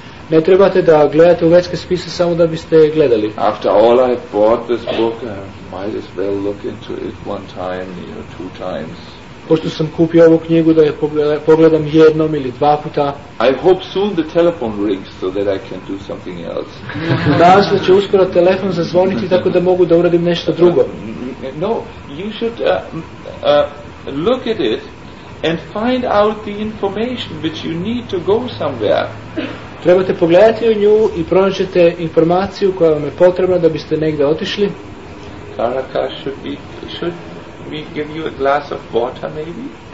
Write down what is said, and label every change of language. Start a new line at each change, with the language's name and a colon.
Serbian: Ne trebate da gledate u vedske spise samo da biste gledali.
English: After all I bought this book, I might as well look into it one time or two times.
Serbian: Pošto sam kupio ovu knjigu da je pogledam jednom ili dva puta.
English: I hope soon the telephone rings so that I can do something else.
Serbian: Nadam se da će uskoro telefon zazvoniti tako da mogu da uradim nešto drugo.
English: No, you should look at it and find out the information which you need to go somewhere.
Serbian: Trebate pogledati u nju i pronaćete informaciju koja vam je potrebna da biste negde otišli.
English: Karaka should we give you a glass of water maybe?